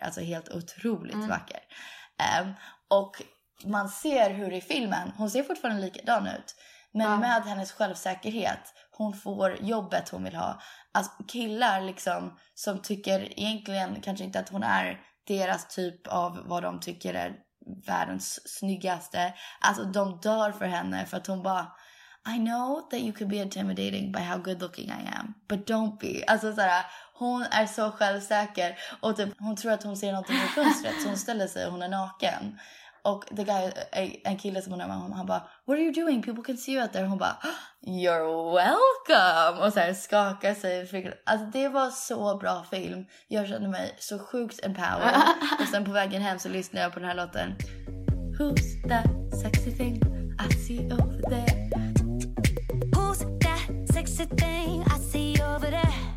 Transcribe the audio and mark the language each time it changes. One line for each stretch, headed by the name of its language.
Swedish: Alltså helt otroligt vacker. Och man ser hur i filmen... hon ser fortfarande likadan ut. Men med hennes självsäkerhet... hon får jobbet hon vill ha. Alltså killar liksom... som tycker egentligen kanske inte att hon är... deras typ av vad de tycker är... världens snyggaste. Alltså de dör för henne. För att hon bara...
English: I know that you could be intimidating by how good looking I am. But don't be.
Swedish: Alltså såhär... hon är så självsäker och typ, hon tror att hon ser någonting i fönstret, så hon ställer sig och hon är naken. Och
English: the guy,
Swedish: en kille som hon är med, han bara,
English: what are you doing? People can see you out there.
Swedish: Hon bara,
English: you're welcome!
Swedish: Och så här skakar sig. Alltså det var så bra film. Jag kände mig så sjukt empowered. Och sen på vägen hem så lyssnade jag på den här låten.
English: Who's that sexy thing I see over there? Who's that sexy thing I see over there?